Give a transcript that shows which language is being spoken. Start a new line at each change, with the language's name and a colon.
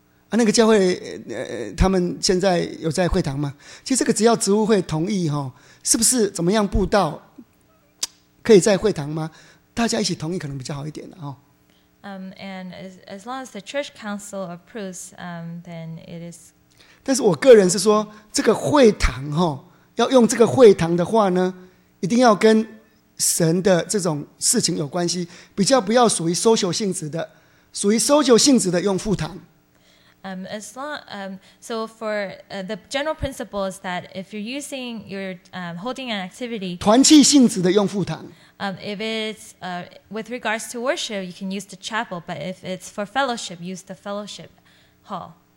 Chinese: 那个教会他们现在有在会堂吗？其实这个只要执务会同意哈，是不是怎么样布道？可以在会堂吗？大家一起同意可能比较好一点的哦。
English: And as long as the church council approves, then it is.
Chinese: 但是我个人是说，这个会堂哈，要用这个会堂的话呢，一定要跟神的这种事情有关系，比较不要属于 social 性质的，属于 social 性质的用副堂。
English: So for the general principle is that if you're using you're holding an activity
Chinese: 团契性质的用副堂
English: if it's with regards to worship you can use the chapel but if it's for fellowship use the fellowship hall